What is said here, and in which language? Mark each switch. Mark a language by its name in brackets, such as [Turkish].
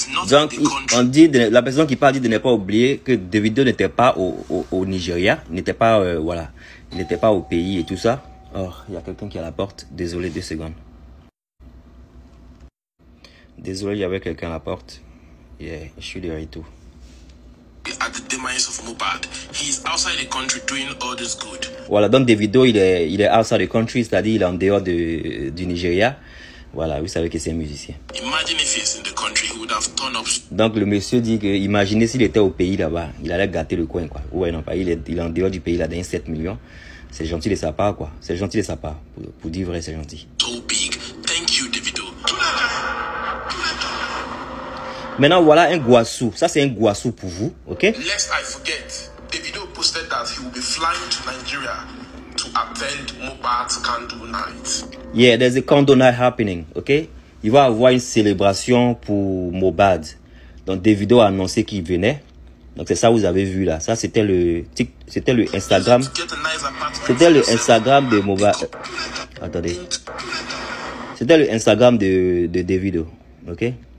[French] Donc, on dit la personne qui parle dit de ne pas oublier que Davido n'était pas au Nigeria, n'était pas voilà, n'était pas au pays et tout ça. Oh, il y a quelqu'un qui est à la porte. Désolé, 2 secondes. Désolé, il y avait quelqu'un à la porte. Yeah, je suis derrière et tout. [English] at the demise of Mubad. He is outside the country doing all this good. [French] Voilà, donc Davido, il est [English] outside the country, [French] c'est-à-dire il est en dehors du Nigeria. Voilà, vous savez que c'est un musicien. [English] Imagine if he's in the country, he would have turned up. [French] Donc le monsieur dit que imaginez s'il était au pays là-bas, il allait gâter le coin quoi. Ouais non, pas il est en dehors du pays, il a gagné 7 millions. C'est gentil de sa part quoi. C'est gentil de sa part pour dire vrai, c'est gentil. [English] So big. Thank you Davido. [French] Maintenant voilà un guassou. Ça c'est un guassou pour vous, OK? [English] Lest I forget. Davido posted that he will be flying to Nigeria to attend Mubad's candle night. Yeah, there's a candle night happening, OK? [French] Il va avoir une célébration pour Mubad. Donc Davido a annoncé qu'il venait. Donc c'est ça que vous avez vu là. Ça c'était le tic, c'était le Instagram. C'était le Instagram de Mubad. Attendez. C'était le Instagram de Davido, OK?